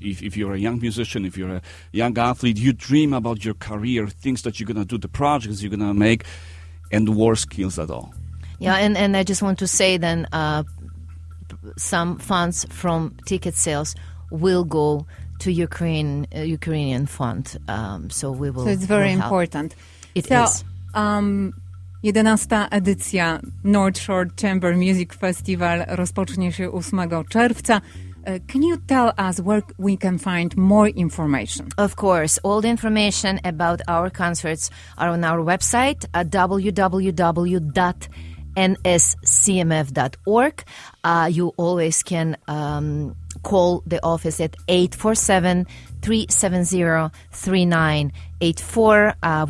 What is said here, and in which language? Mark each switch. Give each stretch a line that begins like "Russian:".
English: If you're a young musician, if you're a young athlete, you dream about your career, things that you're going to do, the projects you're going to make, and war kills at all. Yeah, and I just want to say then some funds from ticket sales will go to Ukrainian fund. So we will So it's very important. It so, is. So, 11.
Polish: edycja North Shore Chamber Music Festival rozpocznie się 8 czerwca.
English: Can you tell us where we can find more information? Of course. All the information about our concerts are on our website at www.nscmf.org. You always can call the office at 847-370-3984.